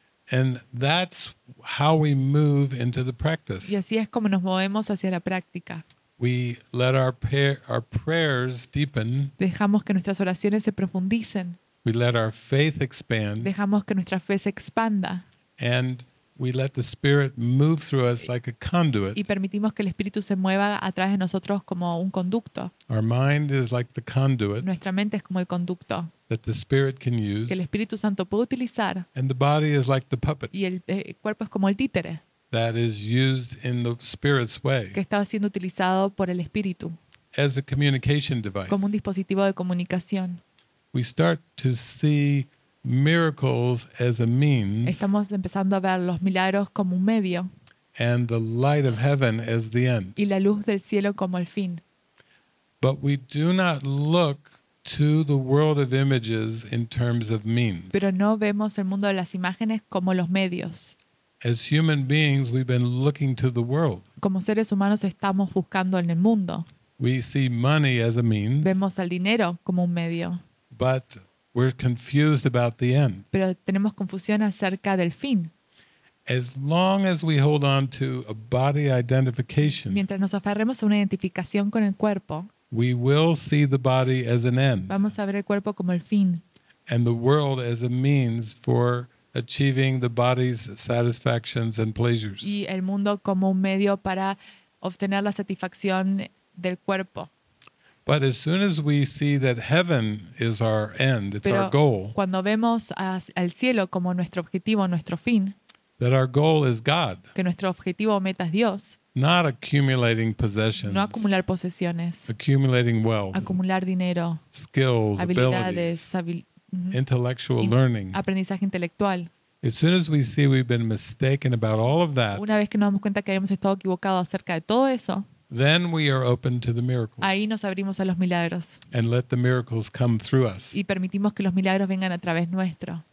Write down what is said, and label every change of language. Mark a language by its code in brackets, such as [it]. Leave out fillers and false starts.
[en] And that's how we move into the practice. [es] Y así es como nos movemos hacia la práctica. [en] We let our prayers deepen. [es] Dejamos que nuestras oraciones se profundicen. [en] We let our faith expand. [es] Dejamos que nuestra fe se expanda. [en] And we let the spirit move through us like a conduit. [es] Y permitimos que el espíritu se mueva a través de nosotros como un conducto. [en] Our mind is like the conduit. [es] Nuestra mente es como el conducto. [en] That the spirit can use. [es] Que el Espíritu Santo puede utilizar. [en] And the body is like the puppet. [es] Y el cuerpo es como el títere. [en] That is used in the spirit's way. [es] Que está siendo utilizado por el espíritu. [en] As a communication device. [es] Como un dispositivo de comunicación. [en] We start to see miracles as a means. [es] Estamos empezando a ver los milagros como un medio. [en] And the light of heaven as the end. [es] Y la luz del cielo como el fin. [en] But we do not look to the world of images in terms of means. [es] Pero no vemos el mundo de las imágenes como los medios. [en] As human beings, we've been looking to the world. [es] Como seres humanos estamos buscando en el mundo. [en] We see money as a means. [es] Vemos al dinero como un medio. [en] But we're confused about the end. [es] Pero tenemos confusión acerca del fin. [en] As long as we hold on to a body identification, [es] mientras nos aferremos a una identificación con el cuerpo, [en] we will see the body as an end. [es] Vamos a ver el cuerpo como el fin. [en] And the world as a means for achieving the body's satisfactions and pleasures. [es] Y el mundo como un medio para obtener la satisfacción del cuerpo. [en] But as soon as we see that heaven is our end, it's our goal. [es] Pero cuando vemos al cielo como nuestro objetivo, nuestro fin. [en] That our goal is God. [es] Que nuestro objetivo o meta es Dios. [en] Not accumulating possessions. [es] No acumular posesiones. [en] Accumulating wealth. [es] Acumular dinero. [en] Skills, [es] habilidades, [en] intellectual learning. [es] Aprendizaje intelectual. [en] As soon as we see we've been mistaken about all of that. [es] Una vez que nos damos cuenta que habíamos estado equivocado acerca de todo eso. [en] Then we are open to the miracles. [es] Ahí nos abrimos a los milagros. [en] And let the miracles come through us. [es] Y permitimos que los milagros vengan a través nuestro.